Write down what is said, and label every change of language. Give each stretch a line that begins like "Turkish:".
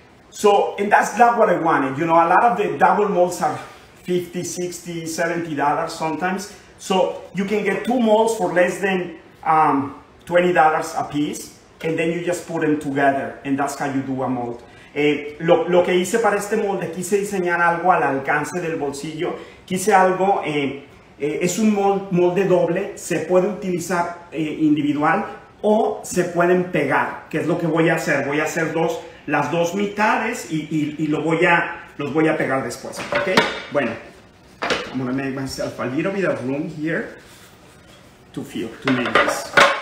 English: So, and that's not what I wanted. You know, a lot of the double molds are $50, $60, $70 sometimes. So you can get two molds for less than $20 a piece, and then you just put them together, and that's how you do a mold.
Spanish: Lo que hice para este molde, quise diseñar algo al alcance del bolsillo. Quise algo, es un molde doble, se puede utilizar individual o se pueden pegar, que es lo que voy a hacer. Voy a hacer las dos mitades y los voy a pegar después, ¿ok?
English: Bueno, I'm gonna make myself a little bit of room here to make this.